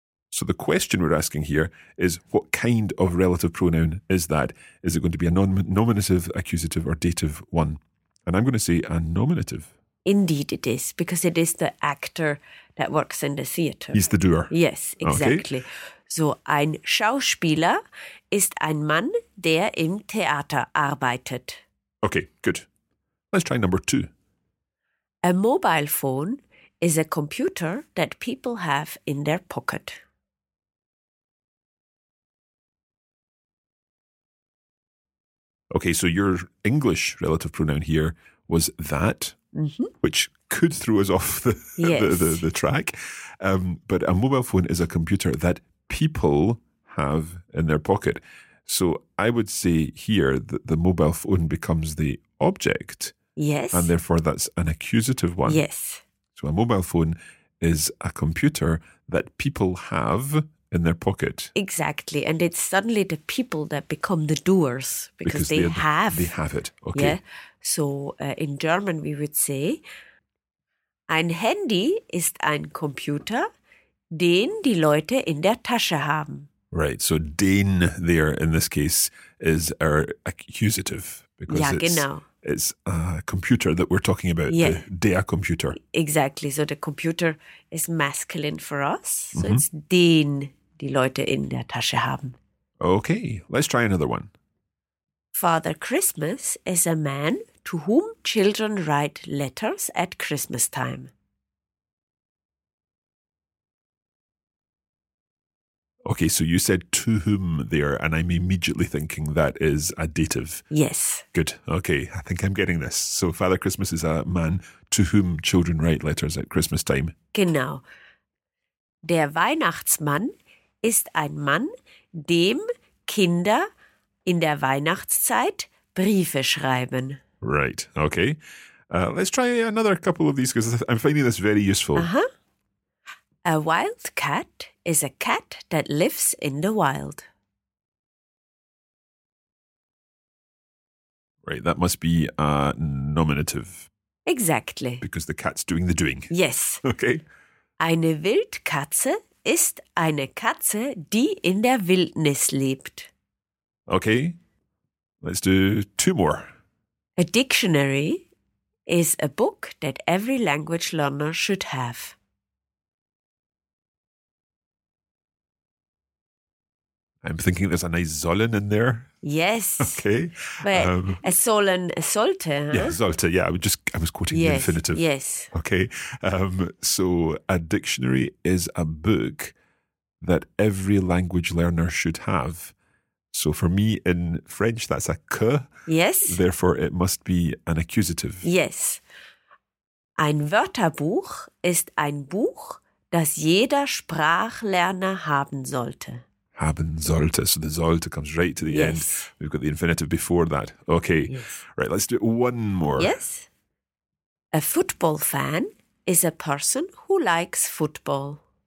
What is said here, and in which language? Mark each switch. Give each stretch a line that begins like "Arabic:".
English: So the question we're asking here is, what kind of relative pronoun is that? Is it going to be a nominative, accusative, or dative one? And I'm going to say a nominative. Indeed it is, because it is the actor that works in the theatre. He's the doer. Yes, exactly. Okay.
German: So, ein Schauspieler ist ein Mann, der im Theater arbeitet.
English: Okay, good. Let's try number two. A mobile phone is a computer that people have in their pocket. Okay, so your English relative pronoun here was that, which could throw us off the track. But a mobile phone is a computer that people have in their pocket. So I would say here that the mobile phone becomes the object. Yes. And therefore that's an accusative one. Yes. So a mobile phone is a computer that people have in their pocket. Exactly. And it's suddenly the people that become the doers because they have it. Okay. Yeah. So in German we would say,
German: ein Handy ist ein Computer, den die Leute in der Tasche haben.
English: Right, so den there in this case is our accusative. Because it's a computer that we're talking about, der Computer. Exactly, so the computer is masculine for us. So it's
German: den die Leute in der Tasche haben.
English: Okay, let's try another one. Father Christmas is a man to whom children write letters at Christmas time. Okay, so you said to whom there, and I'm immediately thinking that is a dative. Yes. Good. Okay, I think I'm getting this. So Father Christmas is a man to whom children write letters at Christmas time.
German: Genau. Der Weihnachtsmann ist ein Mann, dem Kinder in der Weihnachtszeit Briefe schreiben.
English: Right, okay. Let's try another couple of these, because I'm finding this very useful. A wild cat is a cat that lives in the wild. Right, that must be a nominative. Exactly. Because the cat's doing the doing. Yes. Okay.
German: Eine Wildkatze ist eine Katze, die in der Wildnis lebt.
English: Okay, let's do two more. A dictionary is a book that every language learner should have. I'm thinking there's a nice sollen in there. Yes. Okay. But sollte. Huh? Yeah, sollte. Yeah, I was quoting the infinitive. Yes. Okay. So a dictionary is a book that every language learner should have. So for me in French, that's a que. Yes. Therefore, it must be an accusative. Yes.
German: Ein Wörterbuch ist ein Buch, das jeder Sprachlerner haben sollte. Haben sollte.
English: So the sollte comes right to the end. We've got the infinitive before that. Okay. Yes. Right, let's do one more. Yes. A football fan is a person who likes football.